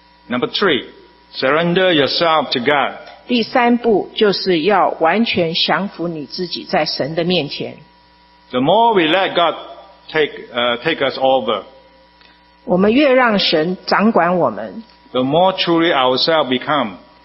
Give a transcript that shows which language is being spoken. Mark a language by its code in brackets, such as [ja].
[en] Number three, surrender yourself to God. [zh] 第三步就是要完全降服你自己在神的面前。 [en] The more we let God take us over, [zh] 我们越让神掌管我们。 [en] The more truly ourselves become,